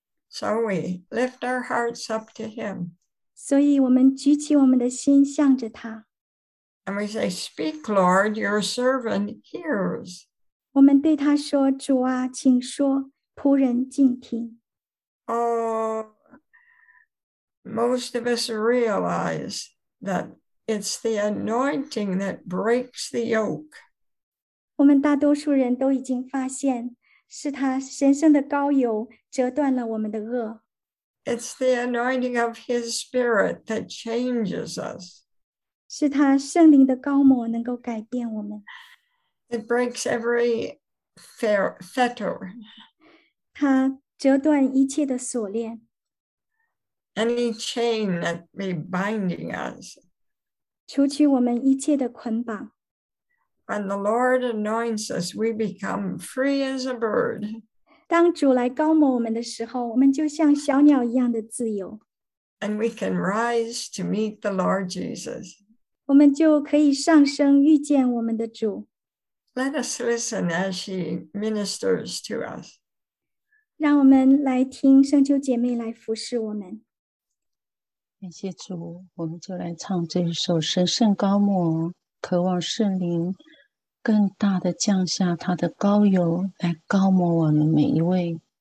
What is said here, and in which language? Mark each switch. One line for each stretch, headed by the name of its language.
English: So we lift our hearts up to Him.
Chinese: 所以我们举起我们的心向着祂。
English: And we say, Speak, Lord, your servant hears.
Chinese: 我们对祂说，主啊，请说，仆人静听。
English: Oh, most of us realize that it's the anointing that breaks the yoke.
Chinese: 我们大多数人都已经发现，是他神圣的膏油折断了我们的轭。
English: It's the anointing of His Spirit that changes us.
Chinese: 是他圣灵的膏抹能够改变我们。
English: It breaks every fetter.
Chinese: 他折断一切的锁链。
English: Any chain that be binding us.
Chinese: 除去我们一切的捆绑。
English: When the Lord anoints us, we become free as a bird.
Chinese: 当主来膏抹我们的时候，我们就像小鸟一样的自由。
English: And we can rise to meet the Lord Jesus.
Chinese: 我们就可以上升遇见我们的主。
English: Let us listen as she ministers to us.
Chinese: 让我们来听圣秋姐妹来服侍我们。感谢主，我们就来唱这首神圣膏抹，渴望圣灵更大的降下他的膏油来膏抹我们每一位。